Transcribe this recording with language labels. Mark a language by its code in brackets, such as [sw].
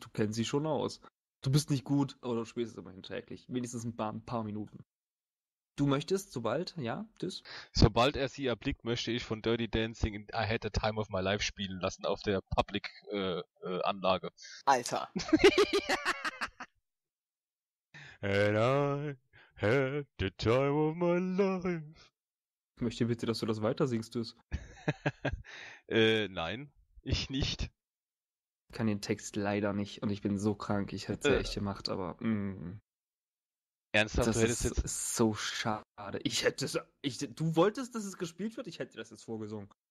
[de] Du kennst sie schon aus. Du bist nicht gut, aber du spielst es immerhin täglich. Wenigstens ein paar Minuten. Du möchtest, sobald, ja, das? Sobald er sie erblickt, möchte ich von Dirty Dancing in I Had the Time of My Life spielen lassen auf der Public-Anlage. Alter. [en] And I had the time of my life. [de] Ich möchte bitte, dass du das weiter singst, du. nein, ich nicht. Ich kann den Text leider nicht und ich bin so krank. Ich hätte es echt gemacht, aber... Ernsthaft, das du hättest jetzt... Das ist so schade. Ich hätte... Du wolltest, dass es gespielt wird? Ich hätte das jetzt vorgesungen.